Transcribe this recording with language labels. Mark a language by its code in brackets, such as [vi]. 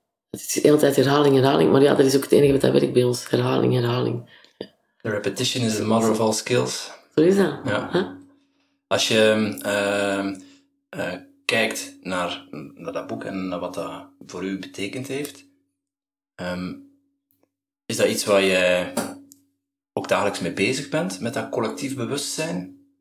[nl] Het is de hele tijd herhaling, herhaling. Maar ja, dat is ook het enige wat dat werkt bij ons. Herhaling, herhaling. [en] The repetition is the mother of all skills. [nl] Zo is dat. Ja. Huh? Als je kijkt naar dat boek en naar wat dat voor u betekend heeft, is dat iets waar je ook dagelijks mee bezig bent? Met dat collectief bewustzijn?